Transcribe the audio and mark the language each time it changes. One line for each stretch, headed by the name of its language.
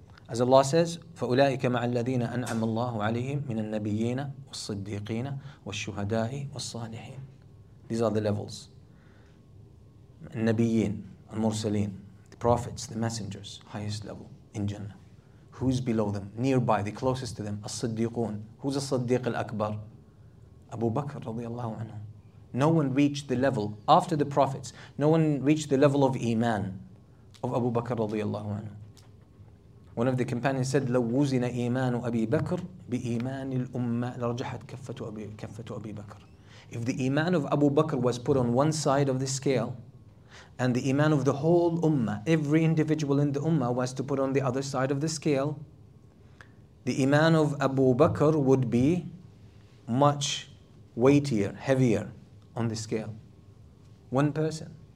English: As Allah says,
Arabic: فَأُولَٰئِكَ مَعَ الَّذِينَ أَنْعَمَ اللَّهُ عَلَيْهِمْ مِنَ النَّبِيِّينَ وَالصِّدِّيقِينَ وَالشُّهَدَاءِ وَالصَّالِحِينَ.
English: These are the levels.
Arabic: النبيين, المرسلين,
English: the prophets, the messengers, highest level in Jannah. Who's below them? Nearby, the closest to them, الصديقون. Who's the صديق الأكبر? Abu Bakr رضي الله عنه. No one reached the level, after the prophets, no one reached the level of Iman of Abu Bakr رضي الله عنه. One of the companions said,
Arabic: لَوْ وُزِنَ إِيمَانُ أَبِي بَكْرِ بِإِيمَانِ الْأُمَّةِ لَرْجَحَتْ كَفَّةُ أَبِي بَكْرِ.
English: If the Iman of Abu Bakr was put on one side of the scale, and the Iman of the whole Ummah, every individual in the Ummah, was to put on the other side of the scale, the Iman of Abu Bakr would be much weightier, heavier on the scale. One person.